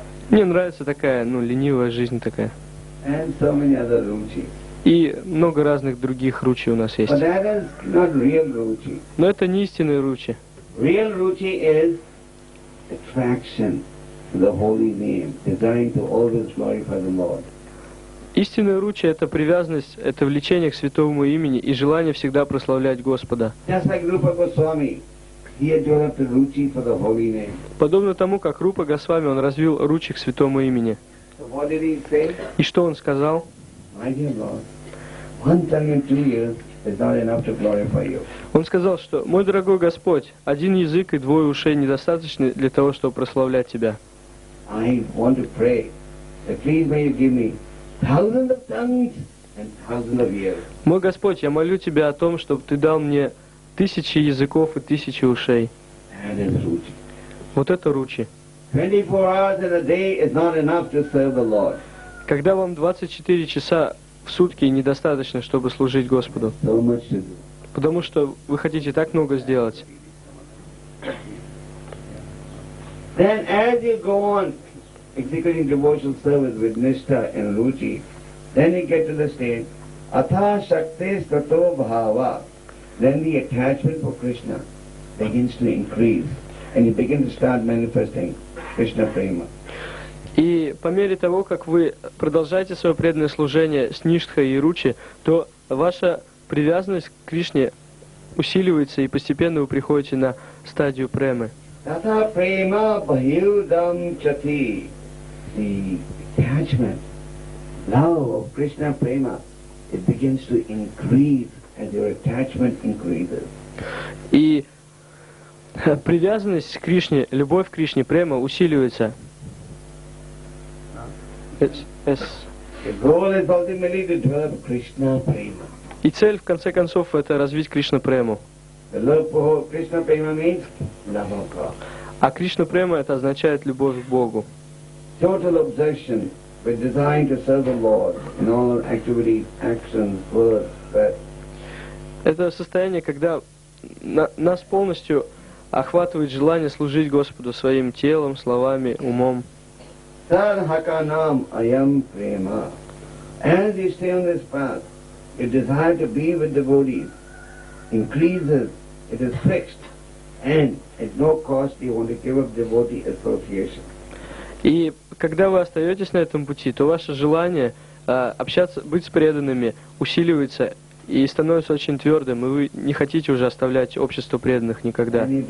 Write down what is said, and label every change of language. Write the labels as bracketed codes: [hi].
[ru] Мне нравится такая, ленивая жизнь такая. [en] And so many other ruchi. [ru] И много разных других ручей у нас есть. [en] But that is not real ruchi. [ru] Но это не истинные ручи. [en] Real ruchi is attraction to the holy name, desiring to always glorify the Lord. [ru] Истинная ручья — это привязанность, это влечение к святому имени и желание всегда прославлять Господа. [en] Just like Rupa Goswami, he had developed ruchi for the holy name. [ru] Подобно тому, как Рупа Госвами, он развил ручи к святому имени. [en] So what did he say? [ru] И что он сказал? [en] My dear Lord, 1 tongue and 2 ears is not enough to glorify you. [ru] Он сказал, что мой дорогой Господь, один язык и двое ушей недостаточны для того, чтобы прославлять Тебя. [en] I want to pray that please may you give me thousands of tongues and thousands of ears. [ru] Мой Господь, я молю Тебя о том, чтобы Ты дал мне тысячи языков и тысячи ушей. [en] And it's ruchi. [ru] Вот это ручи. [en] 24 hours in a day is not enough to serve the Lord. [ru] Когда вам 24 часа в сутки недостаточно, чтобы служить Господу? Потому что вы хотите так много сделать. [en] Then as you go on executing devotional service with nishtha and ruchi, then you get to the state [sa] atha shakte stato bhava. [en] Then the attachment for Krishna begins to increase and you begin to start manifesting Krishna prema. [ru] И по мере того, как вы продолжаете свое преданное служение с ништхой и ручи, то ваша привязанность к Кришне усиливается, и постепенно вы приходите на стадию премы. [sa] Tata prema bahirudam chati. [en] The attachment, love of Krishna prema, it begins to increase as your attachment increases. [ru] И привязанность к Кришне, любовь к Кришне, према усиливается. [en] Yes. The goal is ultimately to develop Krishna prema. [ru] И цель в конце концов это развить Кришна прему. [en] The love for Krishna prema means love of God. [ru] А Кришна према это означает любовь к Богу. [en] Total obsession with desire to serve the Lord in all our activities, actions, words, breath. [ru] Это состояние, когда нас полностью охватывает желание служить Господу своим телом, словами, умом. [sa] Sarhakanam ayam prema. [en] As you stay on this path, your desire to be with devotees increases, it is fixed, and at no cost you want to give up devotee association. [ru] И когда вы остаетесь на этом пути, то ваше желание общаться, быть с преданными усиливается и становится очень твердым, и вы не хотите уже оставлять общество преданных никогда.